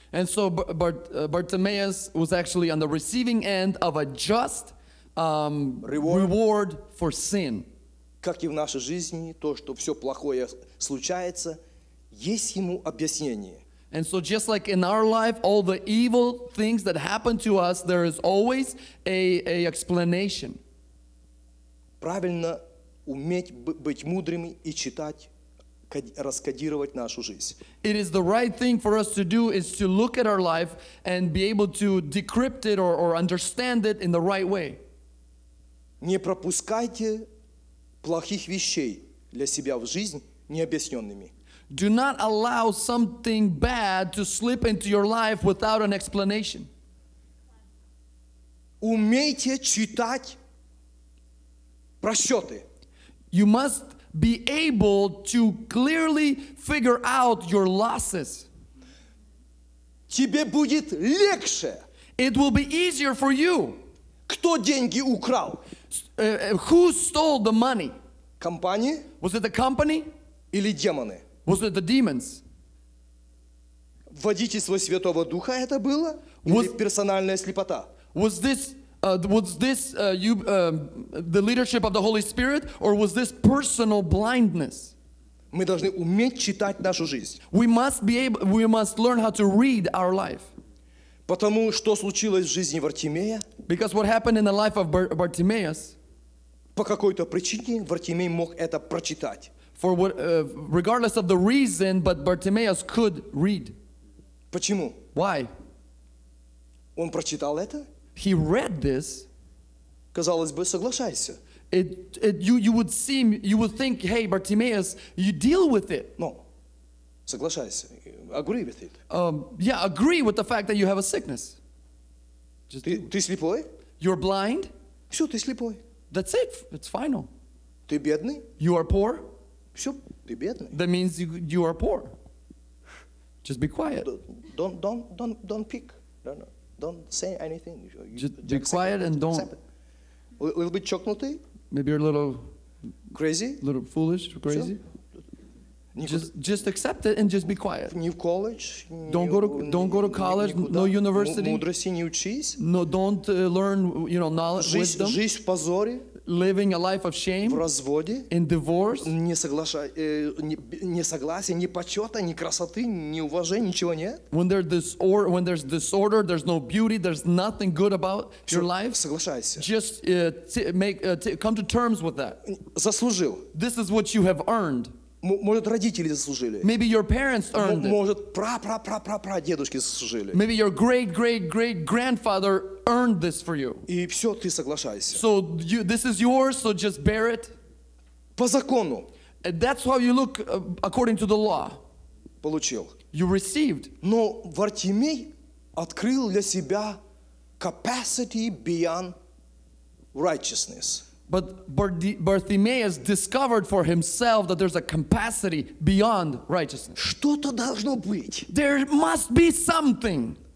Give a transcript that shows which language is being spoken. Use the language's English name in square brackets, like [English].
[English] And so Bartimaeus was actually on the receiving end of a just reward for sin. [Russian] Как и в нашей жизни, то, что все плохое случается, есть ему объяснение. [English] And so just like in our life, all the evil things that happen to us, there is always a explanation. [Russian] Правильно уметь быть мудрыми и читать, раскодировать нашу жизнь. [English] It is the right thing for us to do is to look at our life and be able to decrypt it or understand it in the right way. [Russian] Не пропускайте плохих вещей для себя в жизнь необъясненными. [English] Do not allow something bad to slip into your life without an explanation. [Russian] Умейте читать просчеты. [English] You must be able to clearly figure out your losses. [Russian] Тебе будет легче. [English] It will be easier for you. [Russian] Кто деньги украл? [English] Who stole the money? [Russian] Компания? [English] Was it the company? [Russian] Или демоны? [English] Was it the demons? [Russian] Водительство Святого Духа это было? Или персональная слепота? [English] Was this the leadership of the Holy Spirit, or was this personal blindness? [Russian] Мы должны уметь читать нашу жизнь. [English] We must learn how to read our life. [Russian] Потому что случилось в жизни Вартимея? [English] Because what happened in the life of Bartimaeus? [Russian] По какой-то причине Вартимей мог это прочитать. [English] For what, regardless of the reason, but Bartimaeus could read. [Russian] Почему? [English] Why? [Russian] Он прочитал это? [English] He read this. [Russian] Казалось бы, соглашайся. [English] You would think, hey, Bartimaeus, you deal with it. No. Соглашайся. Agree with it. Agree with the fact that you have a sickness. [Russian] Just ты слепой? [English] You're blind? [Russian] Все, ты слепой. [English] That's it. It's final. [Russian] Ты бедный? [English] You are poor? [Russian] Все, ты бедный. [English] That means you are poor. Just be quiet. Don't pick. Don't say anything. Just be quiet and don't. A little bit chocolatey? Maybe you're a little crazy? A little foolish or crazy? Just accept it and just be quiet. [Russian] Не в колледж. [English] Don't go to college. No university. [Russian] Мудрости не учись. [English] No, don't learn, knowledge, wisdom. [Russian] Жизнь в позоре. [English] Living a life of shame. [Russian] В разводе. [English] In divorce. [Russian] Не согласие, не почета, не красоты, не уважения, ничего нет. [English] When there's disorder, there's no beauty, there's nothing good about your life. [Russian] Соглашайся. [English] Just come to terms with that. [Russian] Заслужил. [English] This is what you have earned. [Russian] Может, родители заслужили. [English] Maybe your parents earned it. [Russian] Может, прадедушки заслужили. [English] Maybe your great grandfather earned this for you. [Russian] И все, ты соглашайся. [English] So this is yours, so just bear it. [Russian] По закону. [English] That's how you look according to the law. [Russian] Получил. [English] You received. [Russian] Но Вартимей открыл для себя capacity beyond righteousness. [English] But Bartimaeus discovered for himself that there's a capacity beyond righteousness. [Russian] Что-то должно быть. [English] There must be something.